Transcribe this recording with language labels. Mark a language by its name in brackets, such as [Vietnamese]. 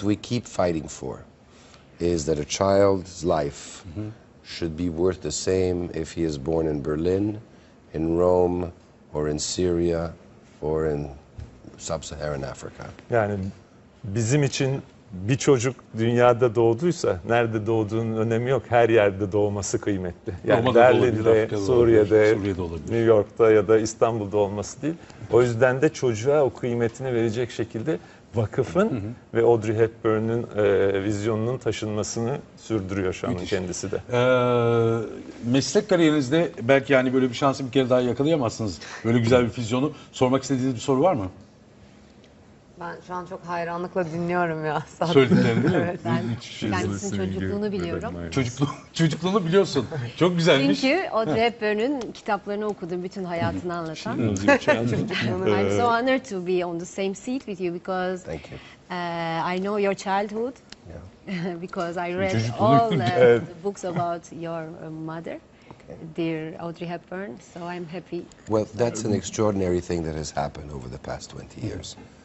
[English] we keep fighting for is that a child's life should be worth the same if he is born in Berlin, in Rome, or in Syria, or in sub-Saharan Africa. [Turkish] Yani bizim için bir çocuk dünyada doğduysa, nerede doğduğunun önemi yok, her yerde doğması kıymetli. Yani Berlin'de, Suriye'de, New York'ta ya da İstanbul'da olması değil. O yüzden de çocuğa o kıymetini verecek şekilde vakıfın ve Audrey Hepburn'un vizyonunun taşınmasını sürdürüyor şu an kendisi de. Meslek kariyerinizde belki yani böyle bir şansı bir kere daha yakalayamazsınız. Böyle güzel bir vizyonu. Sormak istediğiniz bir soru var mı? Ben şu an çok hayranlıkla dinliyorum ya. Söylediklerini değil mi? Evet, kendisinin çocukluğunu biliyorum. Çocukluğunu biliyorsun. Çok güzelmiş. Çünkü Audrey Hepburn'un kitaplarını okudum, bütün hayatını anlatan. [English] I'm so honored to be on the same seat with you because I know your childhood. Yeah. Because I read all the books about your mother, dear Audrey Hepburn. So I'm happy. Well, that's an extraordinary thing that has happened over the past 20 years.